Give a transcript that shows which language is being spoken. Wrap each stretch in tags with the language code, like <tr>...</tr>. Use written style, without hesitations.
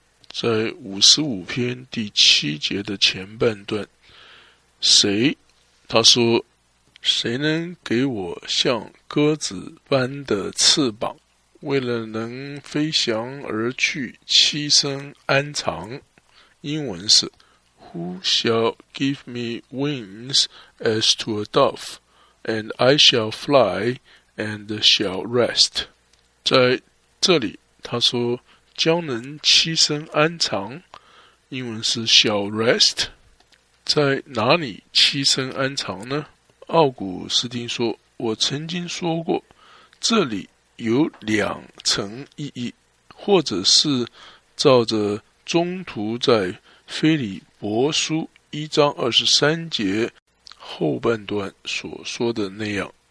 <zh>在55篇第七节的前半段，谁，他说，谁能给我像鸽子般的翅膀，为了能飞翔而去，栖身安藏。</zh> <en>英文是Who shall give me wings as to a dove, and I shall fly and shall rest.</en> <zh>在这里他说将能栖身安藏，英文是</zh> <en>shall rest。</en> <zh>在哪里栖身安藏呢？奥古斯丁说，我曾经说过，这里有两层意义，或者是照着中途在腓立伯书一章二十三节后半段所说的那样。</zh>